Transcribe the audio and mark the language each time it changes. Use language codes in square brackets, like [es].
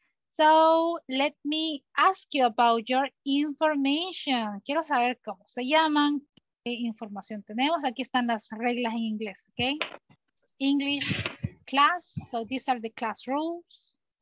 [en] So, let me ask you about your information. [es] Quiero saber cómo se llaman, qué información tenemos. Aquí están las reglas en inglés, ¿ok? [en] English class, so these are the class rules.